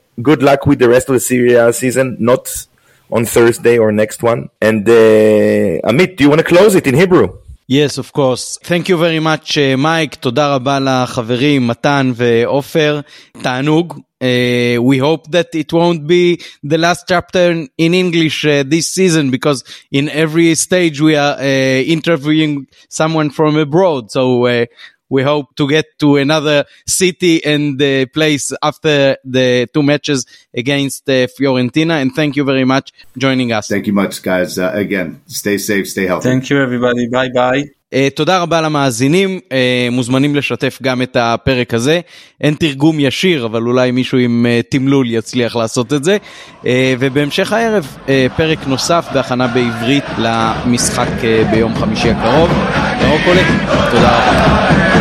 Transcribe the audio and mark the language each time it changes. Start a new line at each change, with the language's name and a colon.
English: Good luck with the rest of the Serie A season, not on Thursday or next one. And Amit, do you want to close it in Hebrew? Yes, of course. Thank you very much, Mike.
Hebrew: תודה רבה לחברים, מתן ואופר. תענוג.
English: We hope that it won't be the last chapter in English this season, because in every stage we are interviewing someone from abroad. So we hope to get to another city and place after the two matches against Fiorentina. And thank you very much for joining us. Thank you much, guys. Again, stay safe, stay healthy. Thank you, everybody. Bye-bye.
Hebrew: תודה רבה למאזינים, מוזמנים לשתף גם את הפרק הזה, אין תרגום ישיר, אבל אולי מישהו עם תמלול יצליח לעשות את זה, ובהמשך הערב פרק נוסף בהכנה בעברית למשחק ביום חמישי הקרוב, תודה רבה.